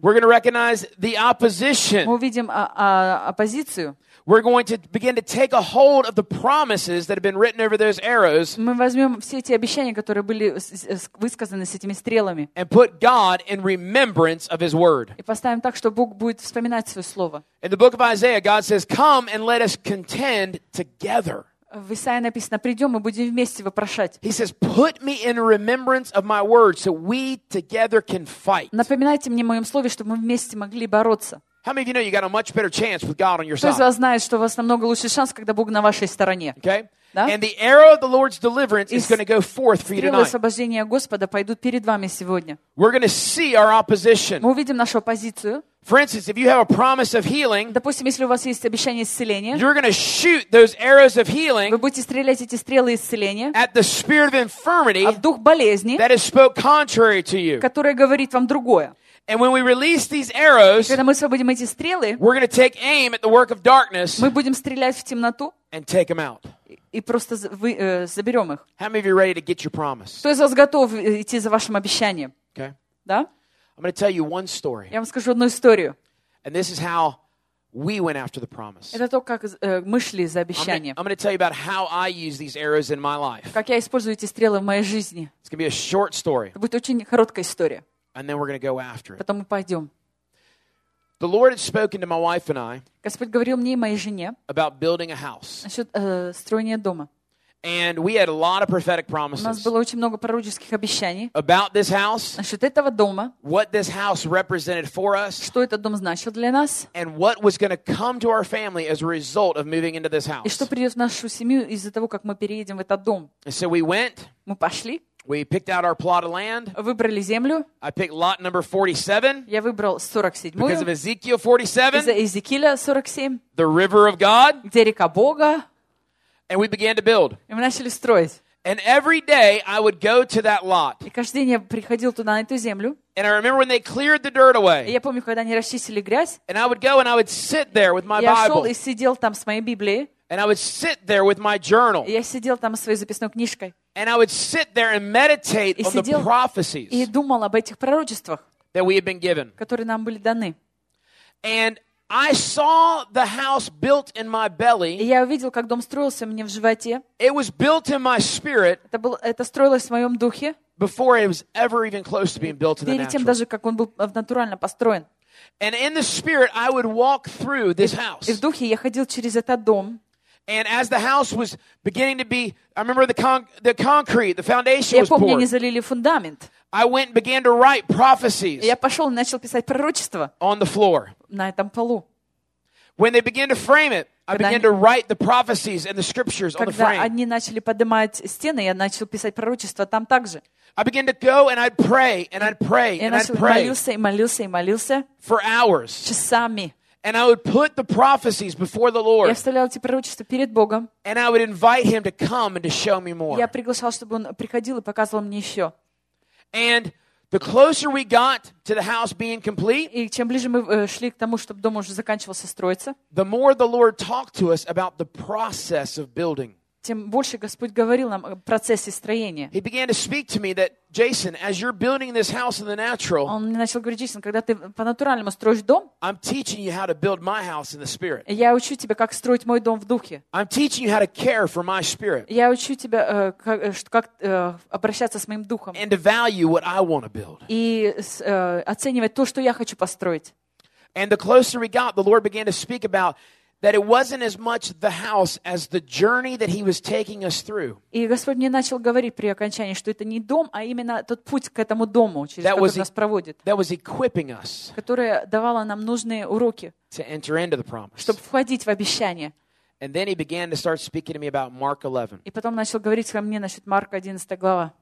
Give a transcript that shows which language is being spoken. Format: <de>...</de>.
<en>We're going to recognize the opposition.</en> <ru>Мы увидим оппозицию.</ru> <en>We're going to begin to take a hold of the promises that have been written over those arrows.</en> <ru>Мы возьмем все эти обещания, которые были высказаны с этими стрелами.</ru> <en>And put God in remembrance of His word.</en> <ru>И поставим так, что Бог будет вспоминать свое слово.</ru> <en>In the book of Isaiah, God says, "Come and let us contend together."</en> <ru>В Исаии написано: "Придем, мы будем вместе вопрошать."</ru> <en>He says, "Put me in remembrance of my word, so we together can fight."</en> <ru>Напоминайте мне в моем слове, чтобы мы вместе могли бороться.</ru> <en>How many of you know you got a much better chance with God on your side?</en> <ru>Кто из вас знает, что у вас намного лучший шанс, когда Бог на вашей стороне?</ru> <en>Okay.</en> <ru>Да?</ru> <en>And the arrow of the Lord's deliverance is going to go forth for you tonight.</en> <ru>Стрелы освобождения Господа пойдут перед вами сегодня.</ru> <en>We're going to see our opposition.</en> <ru>Мы увидим нашу оппозицию.</ru> <en>For instance, if you have a promise of healing,</en> <ru>допустим, если у вас есть обещание исцеления,</ru> <en>you're going to shoot those arrows of healing.</en> <ru>Вы будете стрелять эти стрелы исцеления.</ru> <en>At the spirit of infirmity.</en> <ru>В дух болезни.</ru> <en>That has spoke contrary to you.</en> <ru>Которая говорит вам другое.</ru> <en>And when we release these arrows,</en> <ru>когда мы освободим эти стрелы,</ru> <en>we're going to take aim at the work of darkness.</en> <ru>Мы будем стрелять в темноту.</ru> <en>And take them out.</en> <ru>И просто заберем их.</ru> <en>How many of you ready to get your promise?</en> <ru>Кто из вас готов идти за вашим обещанием?</ru> <en>Okay.</en> <ru>Да?</ru> <en>I'm going to tell you one story.</en> <ru>Я вам скажу одну историю.</ru> <en>And this is how we went after the promise.</en> <ru>Это то, как мы шли за обещание.</ru> <en>I'm going to tell you about how I use these arrows in my life.</en> <ru>Как я использую эти стрелы в моей жизни.</ru> <en>It's going to be a short story.</en> <ru>Это будет очень короткая история.</ru> <en>And then we're going to go after it.</en> <ru>Потом мы пойдем.</ru> <en>The Lord had spoken to my wife and I.</en> <ru>Господь говорил мне и моей жене.</ru> <en>About building a house.</en> <ru>Насчет строения дома.</ru> <en>And we had a lot of prophetic promises.</en> <ru>У нас было очень много пророческих обещаний.</ru> <en>About this house.</en> <ru>Насчет этого дома.</ru> <en>What this house represented for us.</en> <ru>Что этот дом значил для нас.</ru> <en>And what was going to come to our family as a result of moving into this house.</en> <ru>И что придет в нашу семью из-за того, как мы переедем в этот дом.</ru> <en>And so we went.</en> <ru>Мы пошли.</ru> <en>We picked out our plot of land.</en> <ru>Выбрали землю.</ru> <en>I picked lot number 47.</en> <ru>Я выбрал 47.</ru> <en>Because of Ezekiel 47.</en> <ru>Из-за Иезекииля 47.</ru> <en>The river of God.</en> <ru>Где река Бога.</ru> <en>And we began to build.</en> <ru>И мы начали строить.</ru> <en>And every day I would go to that lot.</en> <ru>И каждый день я приходил туда, на эту землю.</ru> <en>And I remember when they cleared the dirt away.</en> <ru>И я помню, когда они расчистили грязь.</ru> <en>And I would go and I would sit there with my</en> <ru>я</ru> <en>Bible.</en> <ru>Я шел и сидел там с моей Библией.</ru> <en>And I would sit there with my journal.</en> <ru>Я сидел там со своей записной книжкой.</ru> <en>And I would sit there and meditate on the prophecies.</en> <ru>И думал об этих пророчествах.</ru> <en>That we had been given.</en> <ru>Которые нам были даны.</ru> <en>And I saw the house built in my belly.</en> <ru>И я увидел, как дом строился мне в животе.</ru> <en>It was built in my spirit.</en> <ru>Это строилось в моем духе.</ru> <en>Before it was ever even close to being built in the natural.</en> <ru>Перед тем даже, как он был натурально построен.</ru> <en>And in the spirit, I would walk through this house.</en> <ru>И в духе я ходил через этот дом.</ru> <en>And as the house was beginning to be, I remember the concrete, the foundation was poured.</en> <ru>Я помню, они залили фундамент.</ru> <en>I went and began to write prophecies.</en> <ru>Я пошел и начал писать пророчества.</ru> <en>On the floor.</en> <ru>На этом полу.</ru> <en>When they began to frame it, I began to write the prophecies and the scriptures on the frame.</en> <ru>Когда они начали поднимать стены, я начал писать пророчества там также.</ru> <en>I began to go and I'd pray and I'd pray and I'd pray.</en> <ru>Молился и молился и молился.</ru> <en>For hours.</en> <ru>Часами.</ru> <en>And I would put the prophecies before the Lord.</en> <ru>Я вставлял эти пророчества перед Богом.</ru> <en>And I would invite Him to come and to show me more.</en> <ru>Я приглашал, чтобы Он приходил и показывал мне еще.</ru> <en>And the closer we got to the house being complete,</en> <ru>и чем ближе мы шли к тому, чтобы дом уже заканчивался строиться,</ru> <en>the more the Lord talked to us about the process of building.</en> <ru>Тем больше Господь говорил нам о процессе строения.</ru> <en>He began to speak to me that, Jason, as you're building this house in the natural,</en> <ru>он начал говорить, Джейсон, когда ты по-натуральному строишь дом,</ru> <en>I'm teaching you how to build my house in the spirit.</en> <ru>Я учу тебя, как строить мой дом в духе.</ru> <en>I'm teaching you how to care for my spirit.</en> <ru>Я учу тебя, как обращаться с моим духом.</ru> <en>And to value what I want to build.</en> <ru>И оценивать то, что я хочу построить.</ru> <en>And the closer we got, the Lord began to speak about that it wasn't as much the house as the journey that he was taking us through.</en> <ru>И Господь мне начал говорить при окончании, что это не дом, а именно тот путь к этому дому, через который нас проводит.</ru> <en>That was equipping us.</en> <ru>Которая давала нам нужные уроки.</ru> <en>To enter into the promise.</en> <ru>Чтобы входить в обещание.</ru> <en>And then he began to start speaking to me about Mark 11.</en> <ru>И потом начал говорить ко мне насчет Марка 11 глава.</ru>